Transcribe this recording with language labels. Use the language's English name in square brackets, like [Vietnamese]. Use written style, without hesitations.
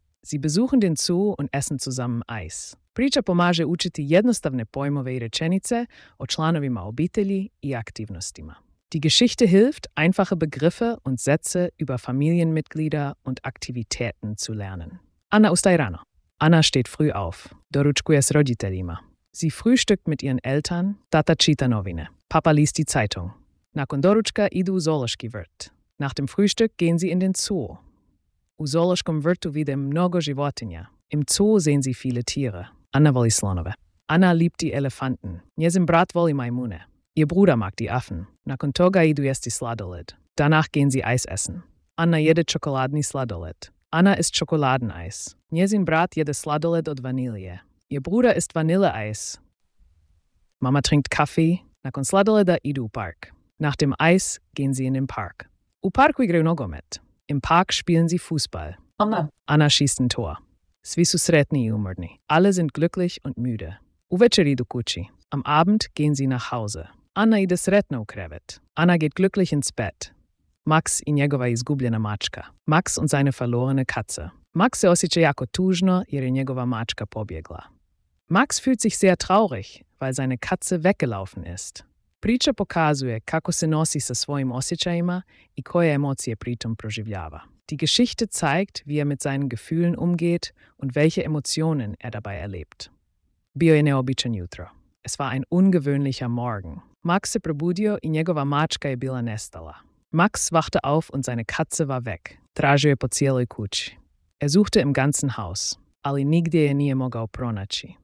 [German] Sie besuchen den Zoo und essen zusammen Eis. [Croatian] Priča pomaže učiti jednostavne pojmove i rečenice o članovima obitelji i aktivnostima. [German] Die Geschichte hilft, einfache Begriffe und Sätze über Familienmitglieder und Aktivitäten zu lernen. [Croatian] Anna ustaje rano. [German] Anna steht früh auf. [Croatian] Doručkuje s roditeljima. [German] Sie frühstückt mit ihren Eltern. [Croatian] Tata čita novine. [German] Papa liest die Zeitung. [Croatian] Nakon doručka idu u zoološki vrt. [German] Nach dem Frühstück gehen sie in den Zoo. [Croatian] U zoološkom vrtu vide mnogo životinja. [German] Im Zoo sehen sie viele Tiere. [Croatian] Anna voli slonove. [German] Anna liebt die Elefanten. [Croatian] Njezin brat voli majmune. [German] Ihr Bruder mag die Affen. [Croatian] Nakon toga idu jesti sladoled. [German] Danach gehen sie Eis essen. [Croatian] Anna jede čokoladni sladoled. [German] Anna isst Schokoladeneis. [Croatian] Njezin brat jede sladoled od vanilje. [German] Ihr Bruder isst Vanilleeis. Mama trinkt Kaffee. [Croatian] Nakon sladoleda idu u park. [German] Nach dem Eis gehen sie in den Park. [Croatian] U parku igraju nogomet. [German] Im Park spielen sie Fußball. Anna. Anna schießt ein Tor. [Croatian] Svi su sretni i umorni. [German] Alle sind glücklich und müde. [Croatian] Uvečer idu kući. [German] Am Abend gehen sie nach Hause. [Croatian] Anna ide sretno u krevet. [German] Anna geht glücklich ins Bett. [Croatian] Max i njegova izgubljena mačka. [German] Max und seine verlorene Katze. [Croatian] Max se osjeća jako tužno jer je njegova mačka pobjegla. [German] Max fühlt sich sehr traurig, weil seine Katze weggelaufen ist. [Croatian] Priča pokazuje kako se nosi sa svojim osjećajima i koje emocije pritom proživljava. [German] Die Geschichte zeigt, wie er mit seinen Gefühlen umgeht und welche Emotionen er dabei erlebt. [Croatian] Bio je neobičan jutro. [German] Es war ein ungewöhnlicher Morgen. [Croatian] Max se probudio i njegova mačka je bila nestala. [German] Max wachte auf und seine Katze war weg. [Croatian] Tražio je po cijeloj kući. [German] Er suchte im ganzen Haus, [Croatian] ali nigdje je nije mogao pronaći.